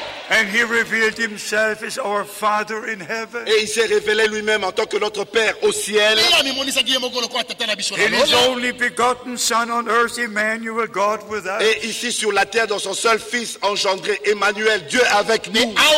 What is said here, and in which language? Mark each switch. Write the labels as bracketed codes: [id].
[en] And he revealed himself as our Father in heaven. [fr] Et il s'est révélé lui-même en tant que notre Père au ciel. [en] And his only begotten Son on earth, Emmanuel, God with us. [fr] Et ici sur la terre, dans son seul Fils engendré, Emmanuel, Dieu avec nous.